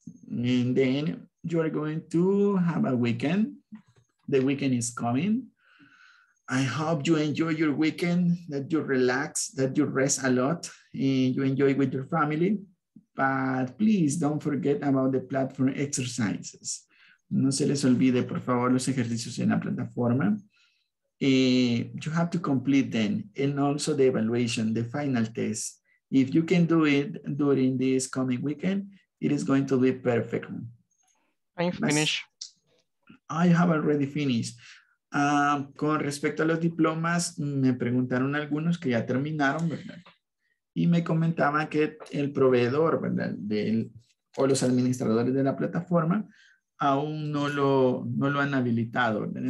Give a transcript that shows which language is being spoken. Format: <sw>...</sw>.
<en>And then you are going to have a weekend. The weekend is coming. I hope you enjoy your weekend, that you relax, that you rest a lot, and you enjoy with your family. But please don't forget about the platform exercises.</en> <es>No se les olvide, por favor, los ejercicios en la plataforma.</es> <en>You have to complete them, and also the evaluation, the final test. If you can do it during this coming weekend, it is going to be perfect. I have already finished.</en> <es>Con respecto a los diplomas, me preguntaron algunos que ya terminaron, ¿verdad? Y me comentaba que el proveedor, ¿verdad? O los administradores de la plataforma aún no lo han habilitado, ¿verdad?</es>